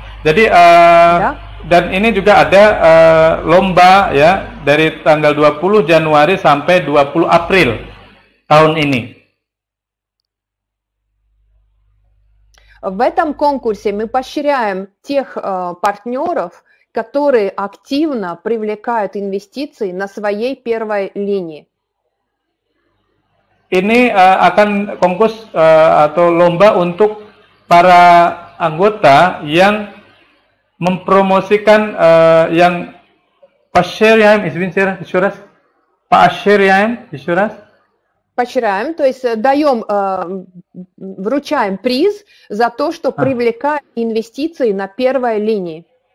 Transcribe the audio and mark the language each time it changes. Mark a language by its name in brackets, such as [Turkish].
[Indonesian] Jadi dan ini juga ada lomba ya dari tanggal 20 Januari sampai 20 April tahun ini. [Russian] В этом конкурсе мы поощряем тех партнеров, которые активно привлекают инвестиции на своей первой линии. [Indonesian] Ini akan konkurs atau lomba untuk para anggota yang mempromosikan yang [Russian] поощряем, извините, еще раз, поощряем, еще раз. Поощряем, то есть даем, вручаем приз за то, что привлекает инвестиции на первой линии.